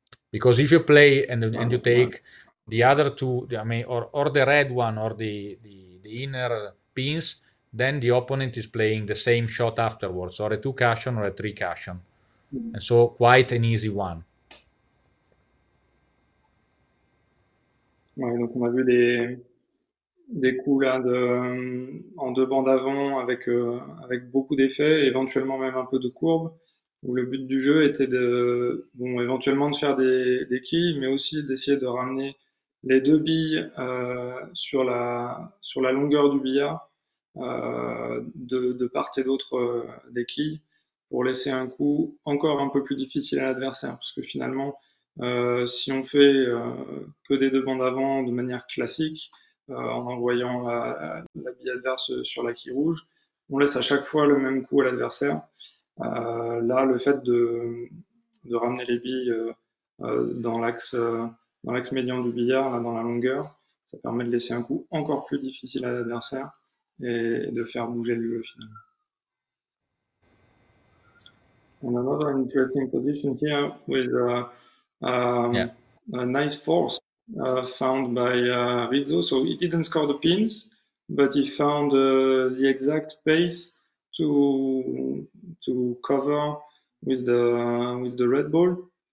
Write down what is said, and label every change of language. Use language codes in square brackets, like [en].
[en] Because if you play and you take the other two, I mean, or the red one or the inner pins, then the opponent is playing the same shot afterwards, or a two cushion or a three cushion, and so quite an easy one. [fr] Ouais, donc on a vu des coups là de en deux bandes avant avec avec beaucoup d'effets, éventuellement même un peu de courbe. Où le but du jeu était de, bon, éventuellement de faire des quilles, mais aussi d'essayer de ramener les deux billes sur la longueur du billard de part et d'autre des quilles, pour laisser un coup encore un peu plus difficile à l'adversaire. Parce que finalement, si on fait que des deux bandes avant de manière classique, en envoyant la bille adverse sur la quille rouge, on laisse à chaque fois le même coup à l'adversaire. Là, le fait de ramener les billes dans l'axe médian du billard, là, dans la longueur, ça permet de laisser un coup encore plus difficile à l'adversaire et de faire bouger le jeu finalement. [en] And another interesting position here with a nice force found by Rizzo. So he didn't score the pins, but he found the exact pace to cover with the red ball.